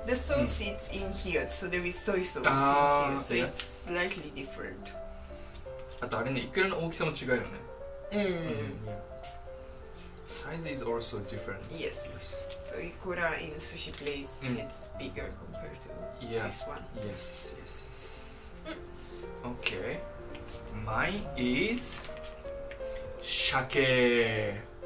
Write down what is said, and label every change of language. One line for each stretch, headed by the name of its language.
English: The sauce is in here, so there is soy sauce in here, so it's slightly different.
Japanese: あとあれね、イクラの大きさも違うよね。
English: Size is also different. Yes. So ikura in sushi place, it's bigger compared to this one. Yes. Okay. Mine is shake.